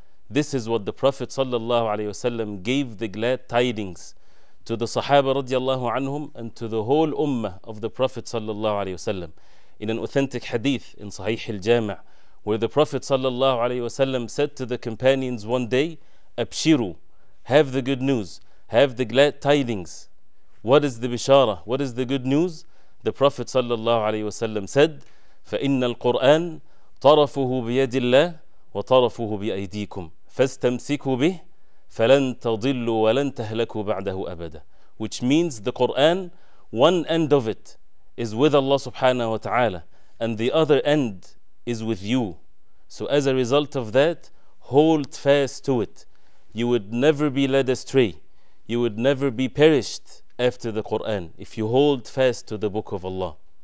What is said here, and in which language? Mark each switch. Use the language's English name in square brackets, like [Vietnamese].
[English] This is what the Prophet sallallahu alayhi wasallam gave the glad tidings to the Sahaba radiallahu anhum and to the whole ummah of the Prophet sallallahu alayhi wasallam. In an authentic hadith in Sahih al-Jami', where the Prophet sallallahu alayhi wasallam said to the companions one day, Abshiru, have the good news, have the glad tidings. What is the bishara? What is the good news? The Prophet sallallahu alayhi wasallam said, [Arabic] فَإِنَّ الْقُرْآنَ طَرَفُهُ بِيَدِ اللَّهِ وَطَرَفُهُ بِأَيْدِيكُمْ فَاسْتَمْسِكُوا بِهِ فَلَن تَضِلُّوا وَلَن تَهْلَكُوا بَعْدَهُ أَبَدًا. [English] Which means the Qur'an, one end of it is with Allah subhanahu wa ta'ala and the other end is with you. So as a result of that, hold fast to it. You would never be led astray. You would never be perished after the Qur'an if you hold fast to the book of Allah.